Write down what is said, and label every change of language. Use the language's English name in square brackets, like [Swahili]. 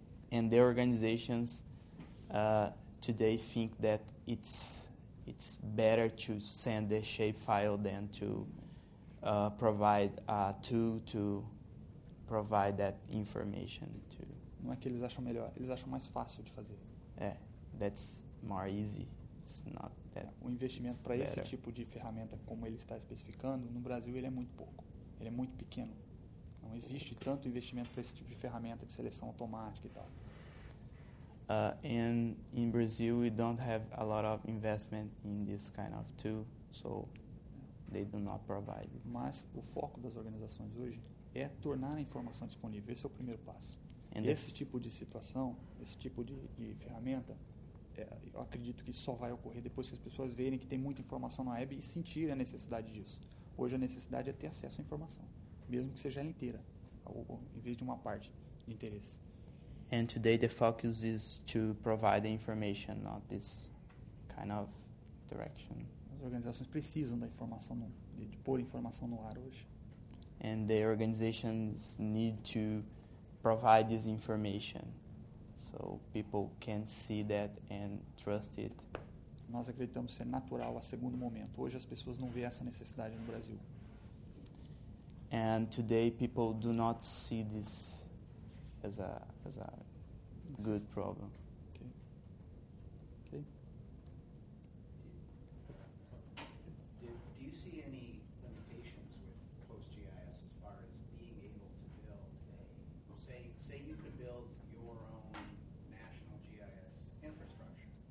[English] And the organizations today think that it's better to send the shape file than to provide a tool to provide that information to. [Portuguese] Não é que eles acham melhor, eles acham mais fácil de fazer. [English] É, that's more easy. It's not that. [Portuguese] O investimento para esse tipo de ferramenta, como ele está especificando, no Brasil ele é muito pouco. Ele é muito pequeno. Não existe tanto investimento para esse tipo de ferramenta de seleção automática e tal. [English] And in Brazil we don't have a lot of investment in this kind of tool, so they do not provide. [Portuguese] Mas o foco das organizações hoje é tornar a informação disponível. Esse é o primeiro passo. Esse tipo de situação, esse tipo de ferramenta, eu acredito que só vai ocorrer depois que as pessoas verem que tem muita informação na web e sentirem a necessidade disso. Hoje a necessidade é ter acesso à informação, mesmo que seja ela inteira, ou em vez de uma parte de interesse. [English] And today the focus is to provide the information, not this kind of direction. [Portuguese] As organizações precisam da informação, de pôr informação no ar hoje. [English] And the organizations need to provide this information so people can see that and trust it. [Portuguese] Nós acreditamos ser natural a segundo momento. Hoje as pessoas não veem essa necessidade no Brasil. [English] And today people do not see this as a good problem. Okay. Do you see any limitations with PostGIS as far as being able to build say you could build your own national GIS infrastructure,